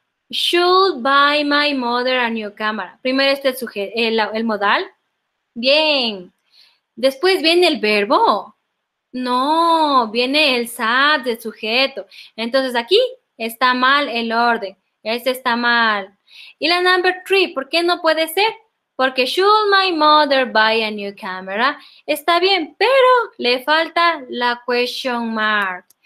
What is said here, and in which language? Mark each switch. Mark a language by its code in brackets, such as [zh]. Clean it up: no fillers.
[en] Should buy my mother a new camera. [es] Primero está el modal. Bien. Después viene el verbo. No, viene el subject, el sujeto. Entonces aquí está mal el orden. Ese está mal. Y la number three, ¿por qué no puede ser? [en] Porque should my mother buy a new camera. [es] Está bien, pero le falta la question mark.